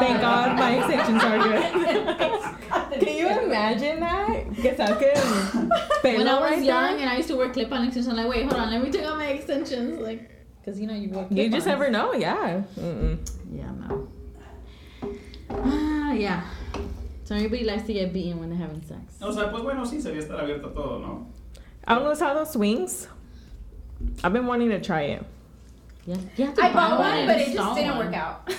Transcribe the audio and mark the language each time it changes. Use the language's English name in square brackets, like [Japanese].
[English] Thank God my extensions are good. Can you imagine that? [Spanish] Que saquen [English] pelo right there? When I was young and I used to wear clip-on extensions, I'm like, wait, hold on, let me take out my extensions. Like... Because, you know, you work. You just never know, yeah. Mm-mm. Yeah, no. Yeah. So everybody likes to get beaten when they're having sex. [Spanish] O sea, pues bueno, sí, sería estar abierto a todo, ¿no? ¿Han usado swings? [English] I've been wanting to try it. Yeah. I bought one, but it just didn't work out.